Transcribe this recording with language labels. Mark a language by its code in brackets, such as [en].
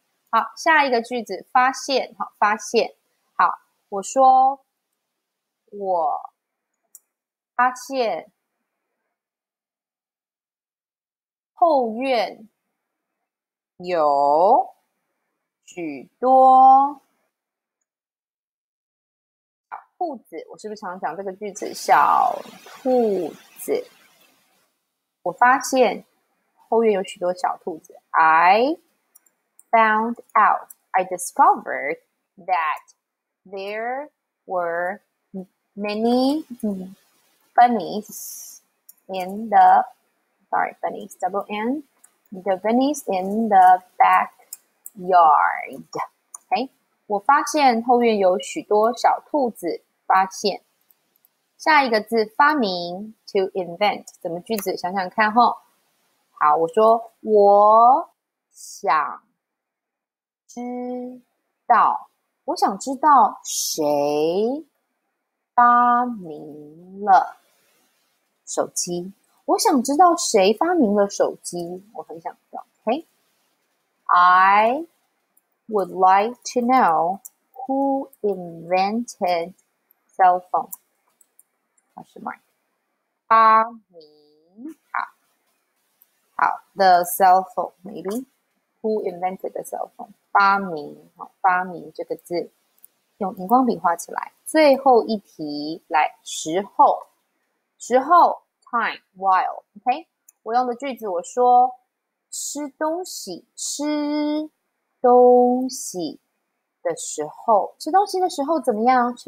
[zh] 好，下一个句子，发现。好，发现。好，我说我发现后院有许多小兔子，我是不是常讲这个句子？小兔子，我发现后院有许多小兔子。 [en] I found out, I discovered that there were many bunnies in the, sorry, bunnies, double N. The bunnies in the backyard. [zh] OK，我发现后院有许多小兔子。发现，下一个字发明， [en] to invent， [zh] 怎么句子？想想看哈。好，我说我想知道，我想知道谁发明了手机。我想知道谁发明了手机，我很想知道。 [en] OK，I would like to know who invented cell phone。 question mark 发明，好，the cell phone maybe，who invented the cell phone？ [zh] 发明，好，发明这个字，用荧光笔画起来。最后一题，来，时候，时候。 [en] Time, while, OK？ [zh] 我用的句子，我说吃东西，吃东西的时候，吃东西的时候怎么样？